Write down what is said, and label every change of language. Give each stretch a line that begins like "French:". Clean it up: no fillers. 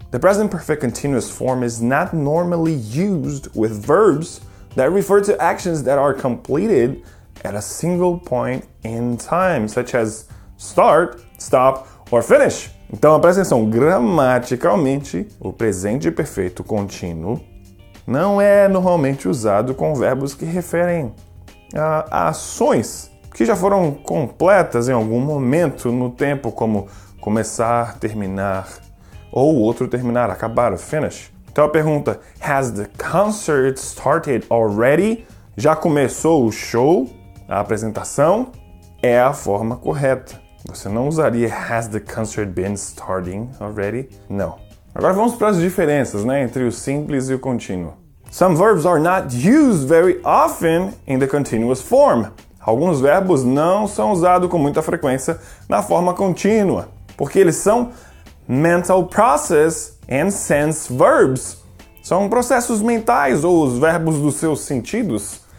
English: The present perfect continuous form is not normally used with verbs that refer to actions that are completed at a single point in time, such as start, stop, or finish.
Portuguese: Então, presta atenção, gramaticalmente, o presente perfeito contínuo não é normalmente usado com verbos que referem a ações que já foram completas em algum momento no tempo, como começar, terminar, ou outro terminar, acabar, finish. Então, a pergunta,
English: has the concert started already?
Portuguese: Já começou o show, a apresentação? É a forma correta. Você não usaria
English: has the concert been starting already?
Portuguese: Não. Agora vamos para as diferenças, né, entre o simples e o contínuo.
English: Some verbs are not used very often in the continuous form.
Portuguese: Alguns verbos não são usados com muita frequência na forma contínua, porque eles são
English: mental process and sense verbs.
Portuguese: São processos mentais ou os verbos dos seus sentidos.